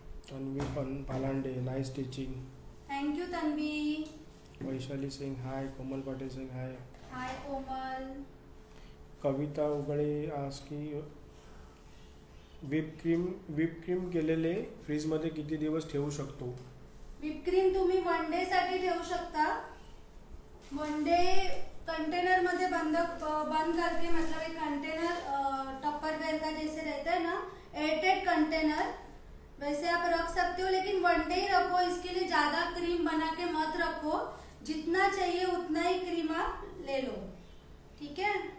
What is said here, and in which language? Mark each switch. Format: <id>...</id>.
<en>Tanvi Palande nice teaching, thank you Tanvi. Vaishali Singh hi, Komal Patel Singh hi, hi Komal.</en> <mr>Kavita उगड़े ASCII whipped cream केलेले fridge मध्ये किती दिवस ठेवू शकतो? व्हिपक्रीम तुम्ही वन डे साठी ठेवू शकता। वन डे कंटेनर मध्ये बंद करते,</mr> <hi>मतलब एक कंटेनर टप्पर वेयर का जैसे रहता है ना, एयरटाइट कंटेनर वैसे आप रख सकते हो, लेकिन वन डे ही रखो। इसके लिए ज्यादा क्रीम बना के मत रखो, जितना चाहिए उतना ही क्रीम आप ले लो, ठीक है।</hi>